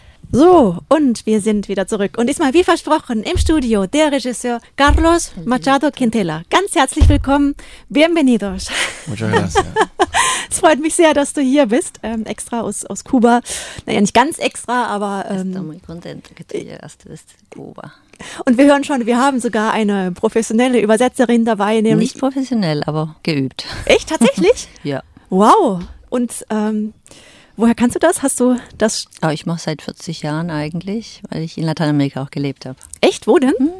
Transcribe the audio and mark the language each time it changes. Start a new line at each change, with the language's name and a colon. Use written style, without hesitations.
German: So, und wir sind wieder zurück. Und diesmal, wie versprochen, im Studio der Regisseur Carlos Machado Quintela. Ganz herzlich willkommen.
Spanish: Bienvenidos. Muchas gracias.
German: Es freut mich sehr, dass du hier bist. Extra aus Kuba. Naja, nicht ganz extra, aber...
Spanish: Estoy muy contento que tú llegaste desde Cuba.
German: Und wir hören schon, wir haben sogar eine professionelle Übersetzerin dabei. Nämlich nicht professionell, aber geübt. Echt? Tatsächlich? Ja. Wow. Und... woher kannst du das? Hast du das? Oh, ich mache seit 40 Jahren eigentlich, weil ich in Lateinamerika auch gelebt habe. Echt? Wo denn?